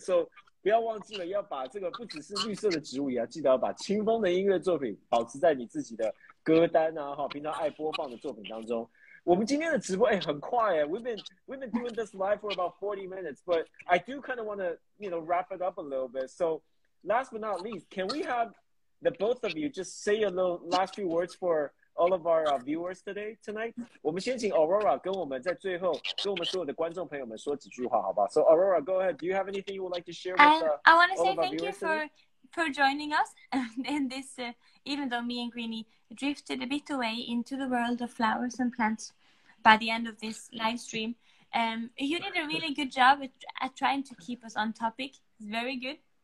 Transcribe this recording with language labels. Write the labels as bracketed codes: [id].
[zh] So. 不要忘记了，要把这个不只是绿色的植物啊，记得要把清风的音乐作品保持在你自己的歌单啊，哈，平常爱播放的作品当中。我们今天的直播，哎，很快哎 ， [en] we've been doing this live for about 40 minutes, but I do kind of want to, you know, wrap it up a little bit. So, last but not least, can we have the both of you just say a little last few words for all of our viewers today, tonight? [zh] 我们先请 Aurora 跟我们在最后跟我们所有的观众朋友们说几句话，好不好？ [en] So Aurora, go ahead. Do you have anything you would like to share with I want to say thank you for joining us in this, even though me and Greeny drifted a bit away into the world of flowers and plants by the end of this live stream. You did a really good job at trying to keep us on topic. It's very good.